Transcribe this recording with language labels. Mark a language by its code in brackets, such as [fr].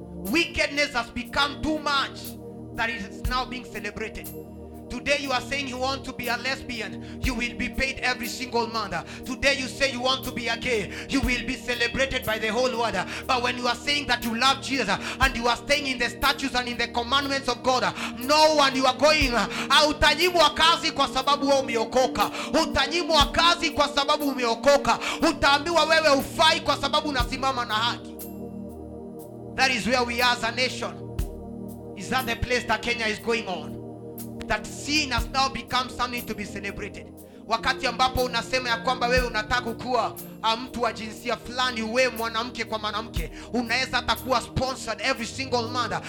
[en] Wickedness has become too much that it is now being celebrated. Today you are saying you want to be a lesbian, you will be paid every single month. Today you say you want to be a gay, you will be celebrated by the whole world. But when you are saying that you love Jesus and you are staying in the statutes and in the commandments of God, no one you are going. [sw] Utanyimwa kazi kwa sababu wewe umeokoka. Utanyimwa kazi kwa sababu umeokoka. Utaambiwa wewe ufai kwa sababu unasimama na haki. [en] That is where we are as a nation. Is that the place that Kenya is going on? That sin has now become something to be celebrated. [sw] Wakati ambapo unasema ya kwamba wewe unataka kuwa mtu wa jinsia fulani, wewe mwanamke kwa mwanamke, unaweza atakuwa [en] sponsored every single month.